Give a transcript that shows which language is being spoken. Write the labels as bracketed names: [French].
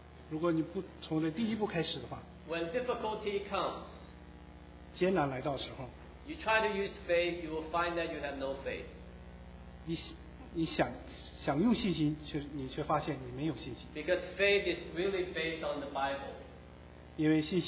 [Chinese] 如果你不从这第一步开始的话， [English] when difficulty comes, [Chinese] 艰难来到时候， [English] you try to use faith, you will find that you have no faith. [Chinese] 你想用信心，却发现你没有信心。 [English] Because faith is really based on the Bible.